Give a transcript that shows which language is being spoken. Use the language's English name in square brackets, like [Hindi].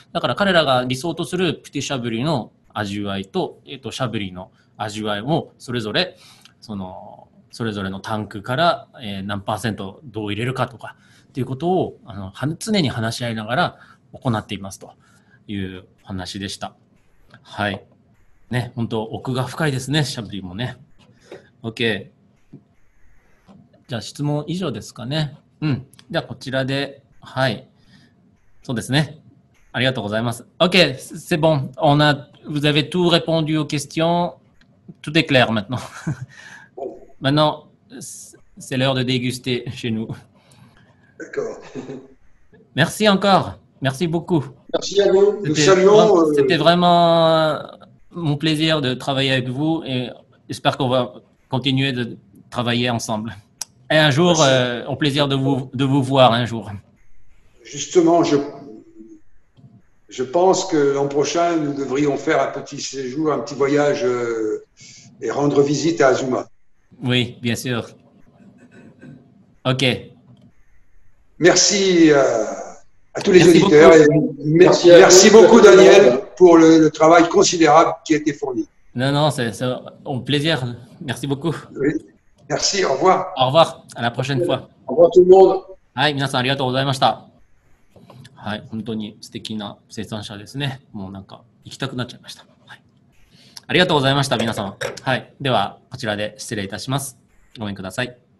[Japanese] だから彼らが理想とするプティシャブリの味わい と、シャブリの味わいをそれぞれそれぞれのタンクから何パーセントどう入れるかとかっていうことを常に話し合いながら行っていますという話でした。はい。ね、本当奥が深いですね、シャブリもね。 OK。じゃあ質問以上ですかね。うん。じゃあこちらで、はい。そうですね。ありがとうございます。 [French] OK、c'est bon. On a, vous avez tout répondu aux questions. Tout est clair maintenant. Maintenant, c'est l'heure de déguster chez nous. D'accord. Merci encore. Merci beaucoup. Merci à vous. Nous saluons. C'était vraiment mon plaisir de travailler avec vous et j'espère qu'on va continuer de travailler ensemble. Et un jour, au plaisir de vous voir un jour. Justement, je pense que l'an prochain, nous devrions faire un petit séjour, un petit voyage et rendre visite à Azuma. Oui, bien sûr. OK. Merci à tous les merci auditeurs. Beaucoup. Merci beaucoup, Daniel, pour le travail considérable qui a été fourni. Non, c'est un plaisir. Merci beaucoup. Oui. Merci, au revoir. Au revoir, à la prochaine fois. Au revoir tout le monde. [Japanese] Hi, 皆さんありがとうございました。はい、本当に素敵な生産者ですね。もうなんか行きたくなっちゃいました。はい。ありがとうございました、皆さん。はい。では、こちらで失礼いたします。ごめんください。